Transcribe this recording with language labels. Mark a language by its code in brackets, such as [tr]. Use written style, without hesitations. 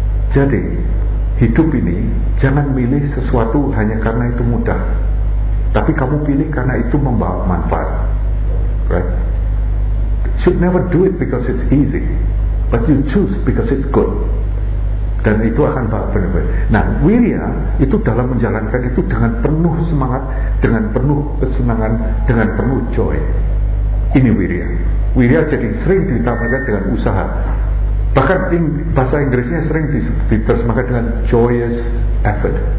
[id] Jadi hidup ini jangan milih sesuatu hanya karena itu mudah, tapi kamu pilih karena itu membawa manfaat. [en] Right? Should never do it because it's easy, but you choose because it's good. [id] Dan itu akan benar-benar. Nah, wirya itu dalam menjalankan itu dengan penuh semangat, dengan penuh kesenangan, dengan penuh joy. Ini wirya. Wirya jadi sering ditambahkan dengan usaha. Bahkan bahasa Inggrisnya sering diterjemahkan dengan joyous effort.